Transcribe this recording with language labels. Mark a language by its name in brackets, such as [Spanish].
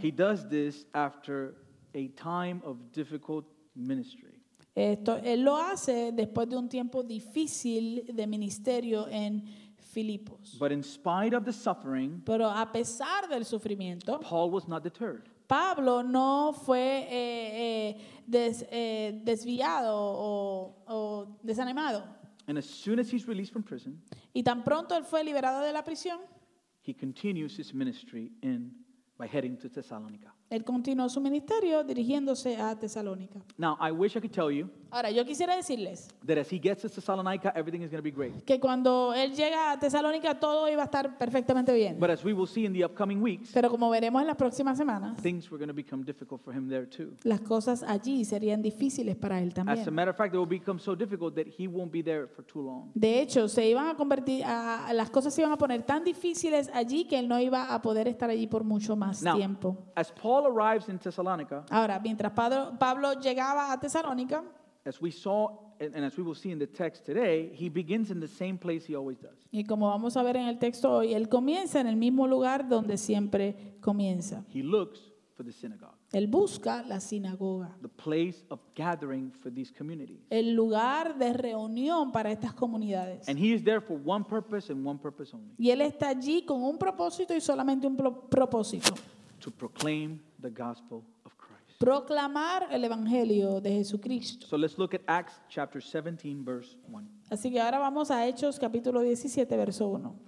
[English] he does this after a time of difficult ministry. [Spanish] Esto él lo hace después de un tiempo difícil de ministerio en Filipos. [English] But in spite of the suffering, [Spanish] pero a pesar del sufrimiento, [English] Paul was not deterred. [Spanish] Pablo no fue desviado o desanimado. [English] And as soon as he's released from prison, [Spanish] y tan pronto él fue liberado de la prisión, [English] he continues his ministry in by heading to Thessalonica. [Spanish] Él continuó su ministerio dirigiéndose a Tesalónica. [English] Now, I wish I could tell you, [Spanish] ahora, yo quisiera decirles, [English] that as he gets to Thessalonica, everything is going to be great. [Spanish] Que cuando él llega a Tesalónica, todo iba a estar perfectamente bien. [English] But as we will see in the upcoming weeks, [Spanish] pero como veremos en las próximas semanas, [English] things were going to become difficult for him there too. [Spanish] Las cosas allí serían difíciles para él también. [English] As a matter of fact, they will become so difficult that he won't be there for too long. [Spanish] De hecho, se iban a convertir, las cosas se iban a poner tan difíciles allí que él no iba a poder estar allí por mucho más [English] now, [Spanish] tiempo. [English] As Paul arrives in Thessalonica, [Spanish] ahora, mientras Pablo llegaba a Tesalónica, [English] as we saw and as we will see in the text today, he begins in the same place he always does. [Spanish] Y como vamos a ver en el texto hoy, él comienza en el mismo lugar donde siempre comienza. [English] He looks for the synagogue. [Spanish] Él busca la sinagoga. [English] The place of gathering for these communities. [Spanish] El lugar de reunión para estas comunidades. [English] And he is there for one purpose and one purpose only. [Spanish] Y él está allí con un propósito y solamente un propósito. [English] To proclaim the gospel. [Spanish] Proclamar el evangelio de Jesucristo. [English] So let's look at Acts chapter 17 verse 1. [Spanish] Así que ahora vamos a Hechos capítulo 17 verso 1.